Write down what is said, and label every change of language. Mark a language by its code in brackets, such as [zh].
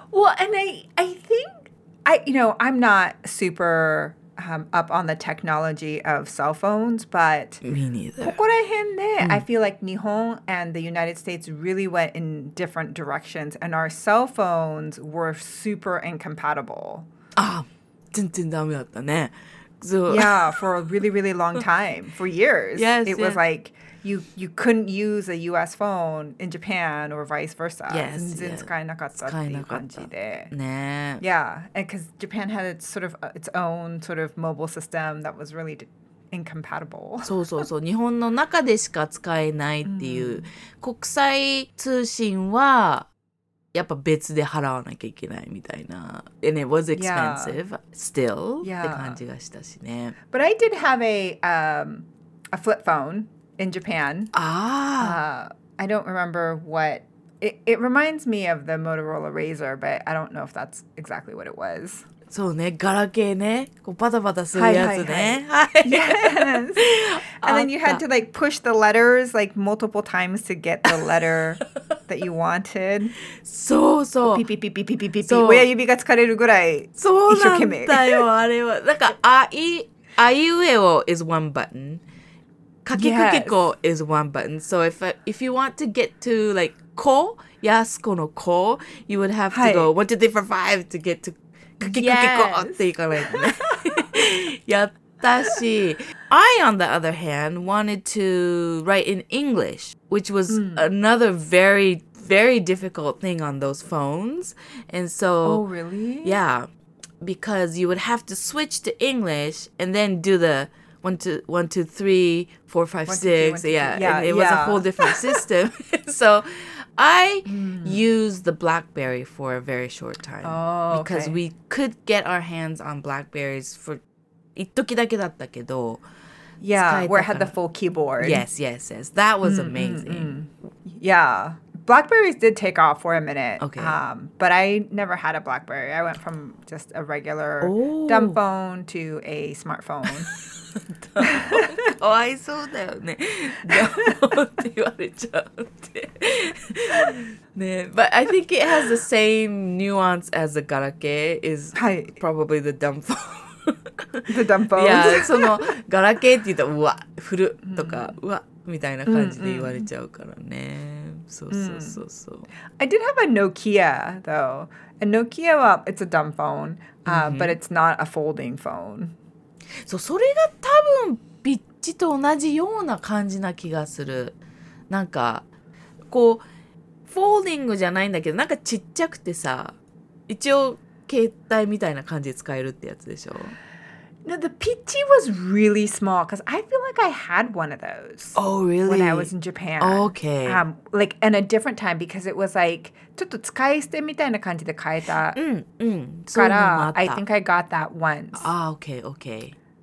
[en] Well, and I think, you know, I'm not super up on the technology of cell phones, but... Me neither. [ja] ここら辺で、 [en] I feel like Nihon and the United States really went in different directions, and our cell phones were super incompatible. [ja] Ah, 全然ダメだったね。 [en] So... Yeah, for a really, really long time. For years. Yes, It was like... You couldn't use a U.S. phone in Japan or vice versa. Yes, [ja] 全然使えなかったっていう感じで。ね。 [en] Yeah, and because Japan had its sort of its own sort of mobile system that was really incompatible. [ja] そうそうそう。日本の中でしか使えないっていう、国際通信はやっぱ別で払わなきゃいけないみたいな。 [en] And it was expensive still [ja] って感じがしたしね。 [en] But I did have a flip phone. In Japan. I don't remember what... It reminds me of the Motorola Razr, but I don't know if that's exactly what it was. [ja] そうね、ガラケーね。こうバタバタするやつね。 [en] Yes! And then you had to like push the letters like multiple times to get the letter that you wanted. [ja] そうそう。ピピピピピピピピピ。親指が疲れるぐらい一生懸命。そうなんだよ、あれは。なんか、あいうえお [en] is one button. かきくけこ is one button. So if you want to get to like こ、 [ja] やすこのこ, [en] you would have to go 1, 2, 3, 4, 5 to get to [ja] かけかけこっていかないとね。やったし。 [en] I, on the other hand, wanted to write in English, which was another very, very difficult thing on those phones. And so... Oh, really? Yeah. Because you would have to switch to English and then do the 1, 2, 1, 2, 3, 4, 5, 1, 2, 3, 6. It was a whole different system. So I used the BlackBerry for a very short time. Oh, okay. Because we could get our hands on BlackBerries for [ja] 一時だけだったけど. [en] Yeah, where it had the full keyboard. Yes, yes, yes. That was amazing. Yeah. BlackBerries did take off for a minute. Okay. But I never had a BlackBerry. I went from just a regular dumb phone to a smartphone. Oh, I saw that. Dumb phone [ja] って言われちゃって。 [en] But I think it has the same nuance as a garake is probably the dumb phone. The dumb phone. [ja] Yeah, そのガラケーって言ったらうわ、フルとか、うわ、みたいな感じで言われちゃうからね。そうそうそうそう。 [en] I did have a Nokia, though. A Nokia は、it's a dumb phone, but it's not a folding phone. [ja] そう、それが多分、ピッチと同じような感じな気がする。なんか、こう、フォーディングじゃないんだけど、なんかちっちゃくてさ、一応、携帯みたいな感じで使えるってやつでしょ? [en] No, the Pitchy was really small because I feel like I had one of those. Oh, really? When I was in Japan. Okay. Like, in a different time because it was like, [ja] ちょっと使い捨てみたいな感じで買えた。うんうん。からそういうのもあった。 [en] I think I got that once. Ah, okay, okay.